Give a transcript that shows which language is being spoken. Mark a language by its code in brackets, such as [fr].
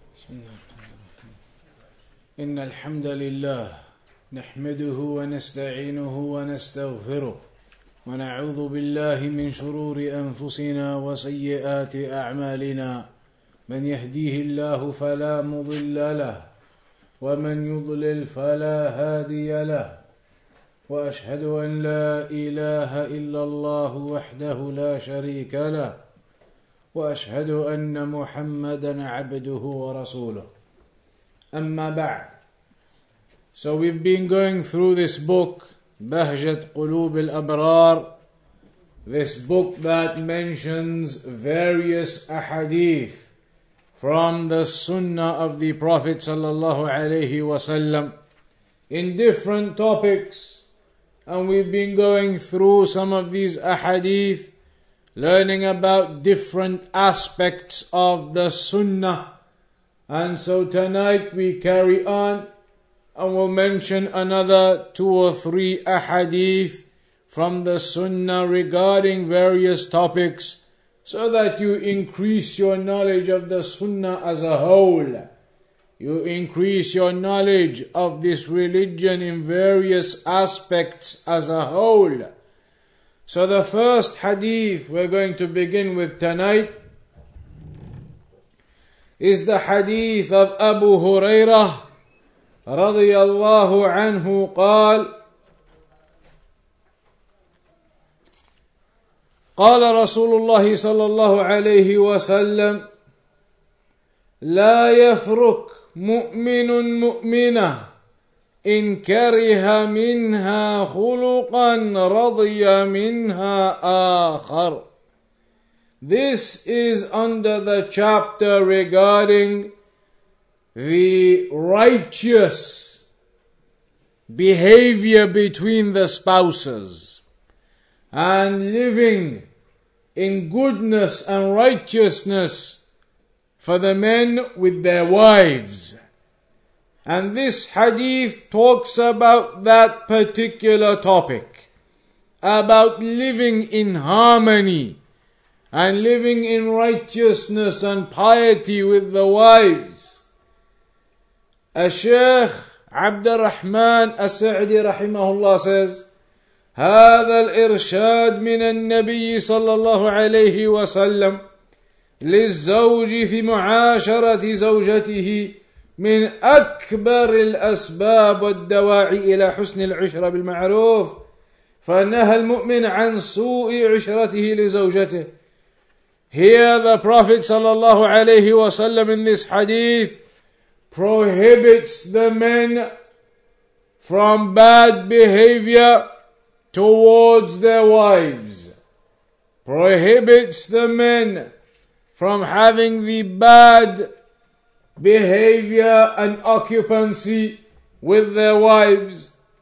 [ar] إن الحمد لله نحمده ونستعينه ونستغفره ونعوذ بالله من شرور أنفسنا وسيئات أعمالنا من يهديه الله فلا مضل له ومن يضلل فلا هادي له وأشهد أن لا إله إلا الله وحده لا شريك له وأشهد أن محمدا عبده ورسوله أما بعد. [en] So we've been going through this book, Bahjat Qulub al-Abrar, this book that mentions various ahadith from the sunnah of the Prophet [ar] sallallahu alayhi wa sallam [en] in different topics. And we've been going through some of these ahadith, learning about different aspects of the sunnah. And so tonight we carry on. And we'll mention another two or three ahadith from the sunnah regarding various topics so that you increase your knowledge of the sunnah as a whole. You increase your knowledge of this religion in various aspects as a whole. So the first hadith we're going to begin with tonight is the hadith of Abu Hurairah [ar] رضي الله عنه قال قال رسول الله صلى الله عليه وسلم لا يفرك مؤمن مؤمنة إن كره منها خلقا رضي منها آخر. [en] This is under the chapter regarding the righteous behavior between the spouses and living in goodness and righteousness for the men with their wives. And this hadith talks about that particular topic, about living in harmony and living in righteousness and piety with the wives. [ar] الشيخ عبد الرحمن السعدي رحمه الله [en] says [ar] هذا الإرشاد من النبي صلى الله عليه وسلم للزوج في معاشرة زوجته من أكبر الأسباب والدواعي إلى حسن العشرة بالمعروف فنهى المؤمن عن سوء عشرته لزوجته. [en] Here the Prophet [ar] صلى الله عليه وسلم [en] in this hadith prohibits the men from bad behavior towards their wives. Prohibits the men from having the bad behavior and occupancy with their wives.